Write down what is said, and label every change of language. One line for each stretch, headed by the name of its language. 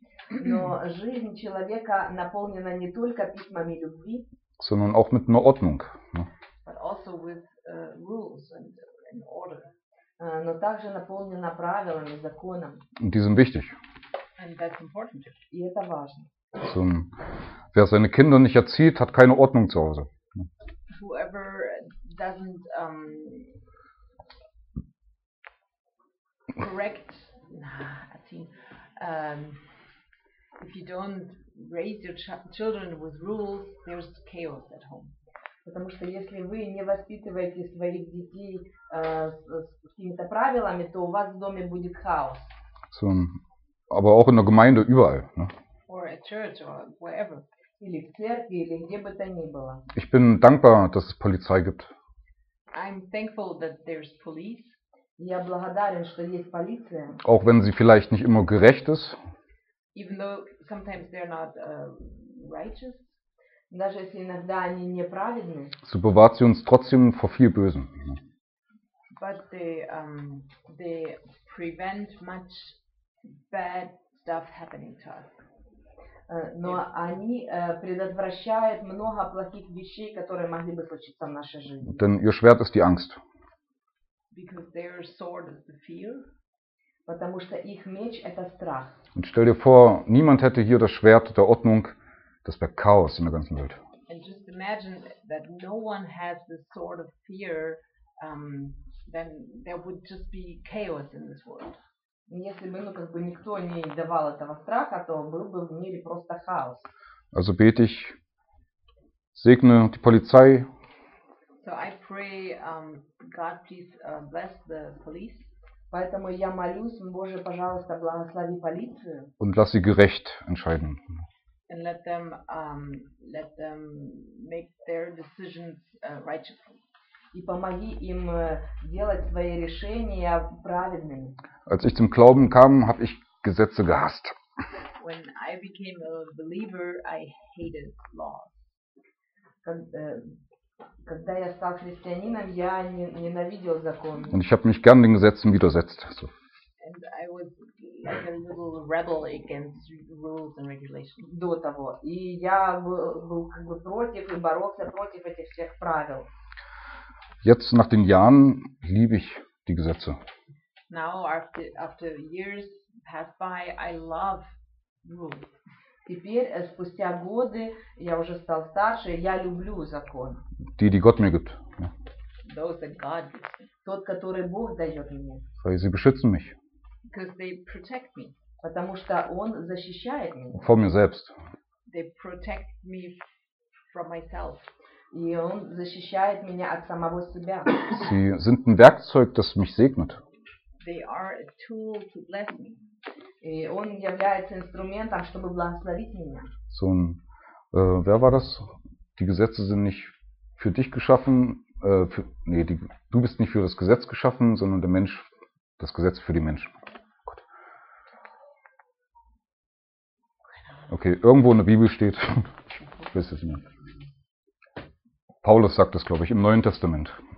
Russian: Но жизнь человека наполнена не только письмами любви,
German: sondern auch mit einer Ordnung.
English: But also with rules and order.
Russian: Но также наполнена правилами, законом.
German: Und die sind wichtig.
English: And that's important.
Russian: И это важно.
German: So, wer seine Kinder nicht erzieht, hat keine Ordnung zu Hause.
English: Whoever doesn't correct, if you don't raise your children with rules, there's chaos at home.
Russian: Потому что если вы не воспитываете своих детей с какими-то правилами, то у вас в доме будет хаос.
German: So, aber auch in der Gemeinde überall. Ne?
English: Or at church or wherever.
Russian: Или в церкви, или где бы то ни было.
German: Ich bin dankbar, dass es Polizei gibt.
English: I'm thankful that there's police.
Russian: Я благодарен, что есть полиция.
German: Auch wenn sie vielleicht nicht immer gerecht ist.
English: Even though sometimes they're not righteous.
Russian: Даже если иногда они неправедны.
German: So bewahrt sie uns trotzdem vor viel Bösem.
English: But they prevent much bad stuff happening to us. Но yeah.
Russian: они предотвращают много плохих вещей, которые могли бы случиться в нашей жизни.
German: Denn ihr Schwert ist die Angst.
English: Because their sword is the fear.
Russian: Потому что их меч – это страх.
German: Und stell dir vor, niemand hätte hier das Schwert der Ordnung, das wäre Chaos in der ganzen Welt.
English: And just imagine that no one has the sword of fear, then there would just be chaos in this world.
Russian: Если бы, ну, как бы никто не давал этого страха, то был бы в мире просто хаос.
German: Also bete ich, segne die Polizei.
English: So I pray, God please bless the police.
Russian: Поэтому я молюсь, Боже, пожалуйста, благослови полицию.
German: Und lass sie gerecht entscheiden.
English: And let them make their decisions righteously.
Russian: И помоги им делать свои решения правильными.
German: Als ich zum Glauben kam, habe ich Gesetze gehasst.
English: When I became a believer, I hated laws.
Russian: Когда я стал христианином, я ненавидел закон.
German: Und ich habe mich gern den Gesetzen widersetzt. So.
English: And I was like a little rebel against rules and regulations.
Russian: До того. И я был как бы против и боролся против этих всех правил.
German: Jetzt, nach den Jahren, liebe ich die Gesetze.
English: Now, after years pass by, I love rules.
Russian: Теперь, спустя годы, я уже стал старше, я люблю закон.
German: Die Gott mir gibt.
English: Those that God gives.
Russian: Тот, который Бог дает мне.
German: Weil sie beschützen mich.
English: Because they protect me.
Russian: Потому что Он защищает меня.
German: Vor mir selbst.
English: They protect me from myself.
Russian: И Он защищает меня от самого себя.
German: Sie sind ein Werkzeug, das mich segnet.
English: They are a tool to bless me.
Russian: И Он является инструментом, чтобы благословить меня.
German: So ein, wer war das? Die Gesetze sind nicht für dich geschaffen, für, nee, die, du bist nicht für das Gesetz geschaffen, sondern der Mensch, das Gesetz für die Menschen. Gut. Okay, irgendwo in der Bibel steht, ich weiß es nicht mehr. Paulus sagt das, glaube ich, im Neuen Testament.